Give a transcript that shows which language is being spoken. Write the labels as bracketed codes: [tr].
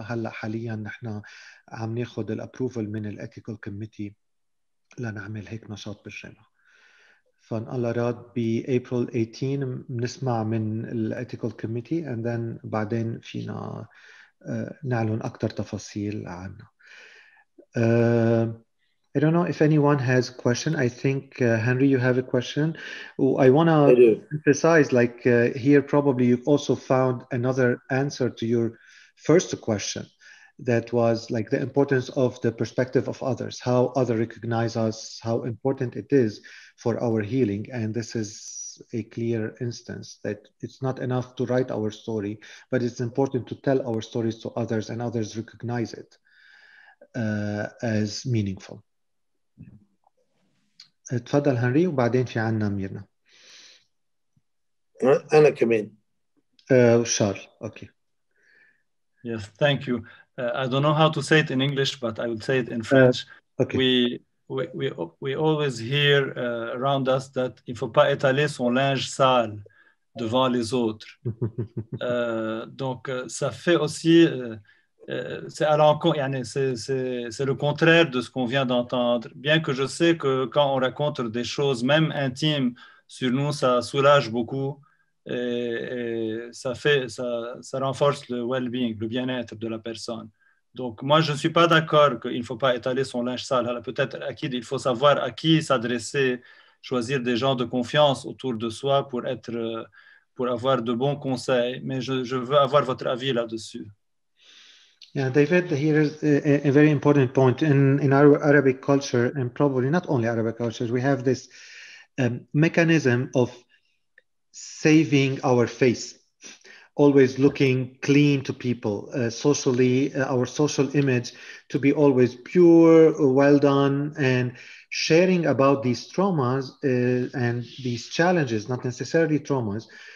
[ar] هلأ حاليا نحن عم ناخد الأبروفل من الأتيكال كوميتي لنعمل هيك نشاط بالجامعة. فان الله راد بأبريل 18 بنسمع من الأتيكال كوميتي, [en] and then [ar] بعدين فينا نعلن أكثر تفاصيل عنه. [en] I don't know if anyone has a question. I think, Henry, you have a question. I want to emphasize, like, here probably you've also found another answer to your first question, that was like the importance of the perspective of others, how others recognize us, how important it is for our healing. And this is a clear instance that it's not enough to write our story, but it's important to tell our stories to others and others recognize it as meaningful. [ar] تفضل هنري وبعدين في عنا ميرنا. أنا كمان. شارل. Okay. [en] Yes, thank you. I don't know how to say it in English, but I will say it in French. Okay. We always hear around us that [fr] il faut pas étaler son linge sale devant les autres. donc ça fait aussi c'est à l'encontre, c'est le contraire de ce qu'on vient d'entendre. Bien que je sais que quand on raconte des choses, même intimes, sur nous, ça soulage beaucoup et ça renforce le well-being, le bien-être de la personne. Donc, moi, je ne suis pas d'accord qu'il ne faut pas étaler son linge sale. Alors, peut-être il faut savoir à qui s'adresser, choisir des gens de confiance autour de soi pour avoir de bons conseils. Mais je veux avoir votre avis là-dessus. [en] Yeah, David, here is a very important point. In our Arabic culture, and probably not only Arabic culture, we have this mechanism of saving our face, always looking clean to people, socially, our social image to be always pure, well done, and sharing about these traumas and these challenges, not necessarily traumas,